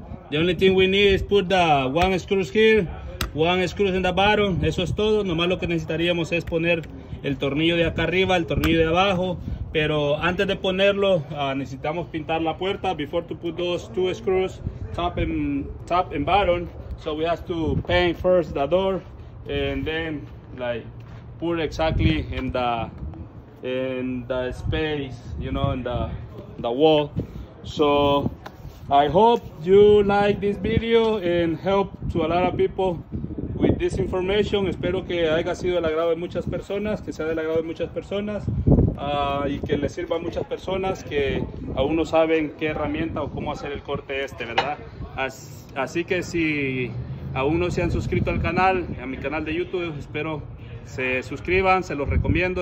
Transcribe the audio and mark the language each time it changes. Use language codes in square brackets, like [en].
[en] The only thing we need is put the one screws here, one screws in the bottom. [es] Eso es todo. Nomás lo que necesitaríamos es poner el tornillo de acá arriba, el tornillo de abajo. Pero antes de ponerlo, necesitamos pintar la puerta. [en] Before to put those two screws, top and bottom. So we have to paint first the door and then like put exactly in the space, you know, in the wall. So I hope you like this video and help to a lot of people with this information. [es] Espero que haya sido del agrado de muchas personas, que sea del agrado de muchas personas y que les sirva a muchas personas que aún no saben qué herramienta o cómo hacer el corte este, ¿verdad? Así que si aún no se han suscrito al canal, a mi canal de YouTube, espero se suscriban, se los recomiendo.